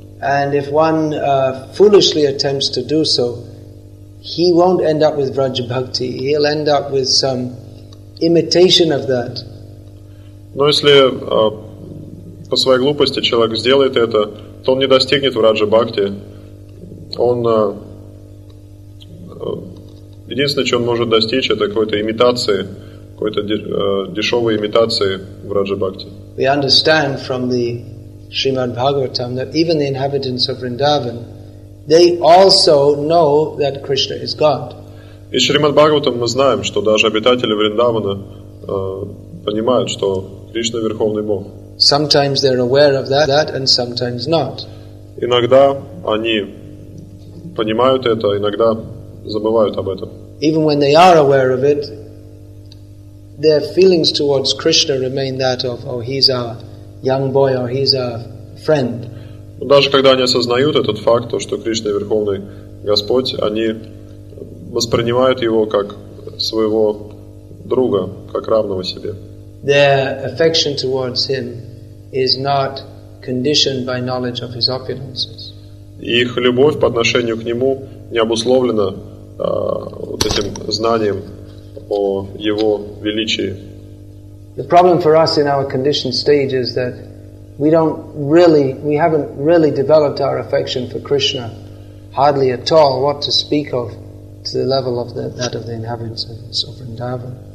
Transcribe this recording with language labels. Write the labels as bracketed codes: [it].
[en] And if one foolishly attempts to do so, he won't end up with Vraja Bhakti. He'll end up with some imitation of that. [ru] Но если по своей глупости человек сделает это, то он не достигнет Vraja Bhakti. Он единственное, что он может достичь, это какой-то имитации, какой-то дешевой имитации Vraja Bhakti. [en] We understand from the Srimad Bhagavatam that even the inhabitants of Vrindavan, they also know that Krishna is God. [ru] Из Шримад Бхагаватам мы знаем, что даже обитатели Вриндавана понимают, что Кришна — Верховный Бог. [en] Sometimes they're aware of that and sometimes not. [ru] Иногда они понимают это, иногда забывают об этом. [en] Even when they are aware of it, their feelings towards Krishna remain that of, oh, he's a young boy, or he's a friend. [ru] Даже когда они осознают этот факт, то, что Кришна Верховный Господь, они воспринимают его как своего друга, как равного себе. [en] Their affection towards him is not conditioned by knowledge of his opulences. [ru] Их любовь по отношению к нему не обусловлена вот этим знанием о его величии. [en] The problem for us in our conditioned stage is that we haven't really developed our affection for Krishna, hardly at all, what to speak of, to the level of that of the inhabitants of Vrindavan.